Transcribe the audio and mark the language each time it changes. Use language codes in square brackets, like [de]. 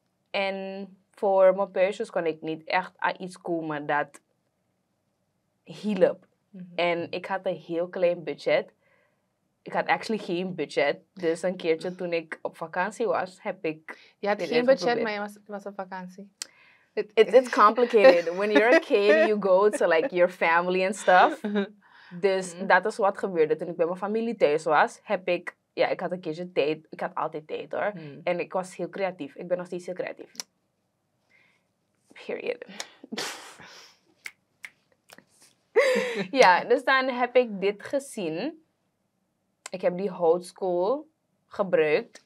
[nl] En voor mijn peusjes kon ik niet echt aan iets komen dat hielp. Mm-hmm. En ik had een heel klein budget. Ik had eigenlijk geen budget. Dus een keertje toen ik op vakantie was, heb ik... Je had geen budget, maar je was op vakantie. [en] It's complicated. When you're a kid, you go to like your family and stuff. [nl] Dus dat is wat gebeurde. Toen ik bij mijn familie thuis was, heb ik... Ja, ik had een keertje tijd. Ik had altijd tijd, hoor. Mm. En ik was heel creatief. Ik ben nog steeds heel creatief. Period. Ja, dus dan heb ik dit gezien. Ik heb die houtskool gebruikt.